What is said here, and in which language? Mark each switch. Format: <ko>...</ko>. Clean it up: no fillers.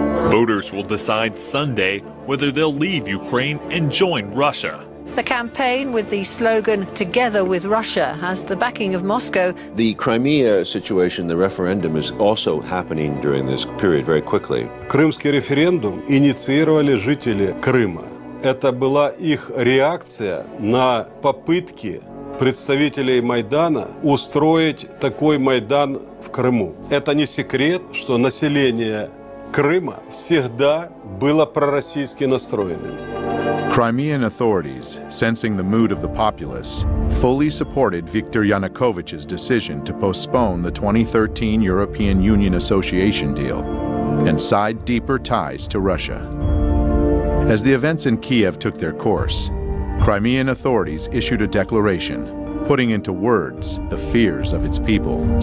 <en>Voters will decide Sunday whether they'll leave Ukraine and join Russia. The campaign with the slogan "Together with Russia" has the backing of Moscow. The Crimea situation, the referendum, is also happening during this period very quickly.</en> <uk>Кримський референдум ініціювали жителі Криму. Це була їх реакція на</uk> <ru>попытки представителей Майдана устроить такой Майдан в Криму. Это не секрет, что население Крыма всегда было пророссийски настроено.</ru> <en>Crimean authorities, sensing the mood of the populace, fully supported Viktor Yanukovych's decision to postpone the 2013 European Union Association deal and side deeper ties to Russia. As the events in Kiev took their course, Crimean authorities issued a declaration, putting into words the fears of its people.</en>